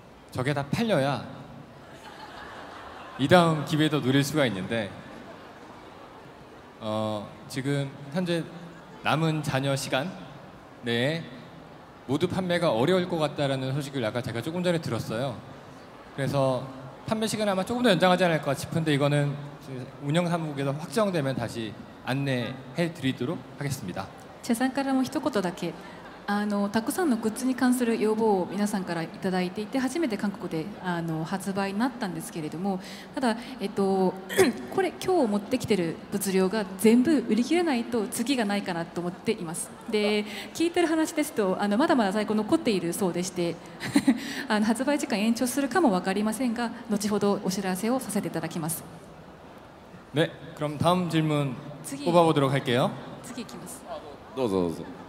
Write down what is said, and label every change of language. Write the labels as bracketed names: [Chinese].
[Korean] 저게 다 팔려야 이 다음 기회도 누릴 수가 있는데 지금 현재 남은 잔여 시간 내에 모두 판매가 어려울 것 같다라는 소식을 아까 제가 조금 전에 들었어요. 그래서 판매 시간을 아마 조금 더 연장하지 않을까 싶은데 이거는 운영 사무국에서 확정되면 다시 안내해 드리도록 하겠습니다. 재산가라면 한마디밖에 [Japanese] たくさんのグッズに関する要望を皆さんからいただいていて初めて韓国で発売になったんですけれども、ただこれ今日持ってきてる物量が全部売り切れないと次がないかなと思っています。で、聞いてる話ですと、まだまだ在庫残っているそうでして、発売時間延長するかも分かりませんが、後ほどお知らせをさせていただきます。 [Korean] 네, 그럼 다음 질문 뽑아보도록 할게요. [Japanese] 次行きます。どうぞどうぞ。